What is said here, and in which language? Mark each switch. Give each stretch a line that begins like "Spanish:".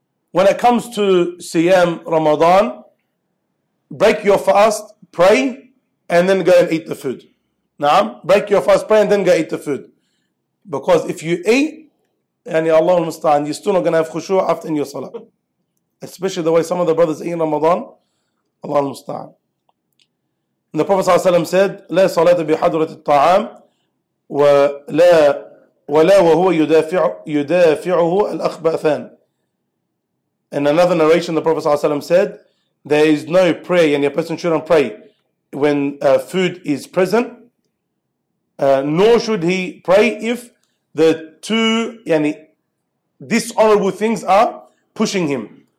English: When it comes to Siyam Ramadan, break your fast, pray, and then go and eat the food. Naam, break your fast, pray, and then go eat the food. Because if you eat, yani Allahul Musta'an, you're still not going to have khushu' after in your salah. Especially the way some of the brothers eat in Ramadan, Allahul Musta'an. The Prophet ﷺ said,
Arabic: لا صلاة بحضرة الطعام ولا وهو يدافعه الأخبثان.
English: In another narration, the Prophet ﷺ said, there is no prayer, and a person shouldn't pray when food is present, nor should he pray if the two dishonorable things are pushing him.